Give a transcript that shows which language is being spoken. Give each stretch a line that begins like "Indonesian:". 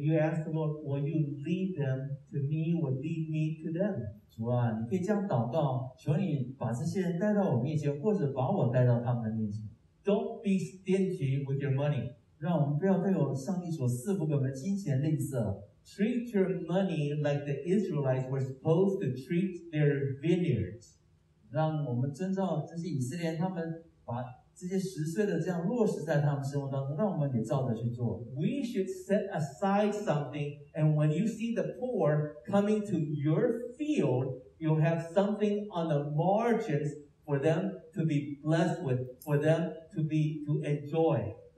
English: you ask the Lord, will you lead them to me or lead me to them?
Chinese: 主啊，你可以这样祷告，求你把这些人带到我面前，或者把我带到他们的面前。
English: Don't be stingy with your money.
Chinese: 让我们不要对我上帝所赐福给我们金钱吝啬。
English: Treat your money like the Israelites were supposed to treat their vineyards.
Chinese: 让我们遵照这些以色列他们把这些十岁的这样落实在他们生活当中，让我们也照着去做。
English: We should set aside something, and when you see the poor coming to your field, you'll have something on the margins for them to be blessed with, for them to enjoy.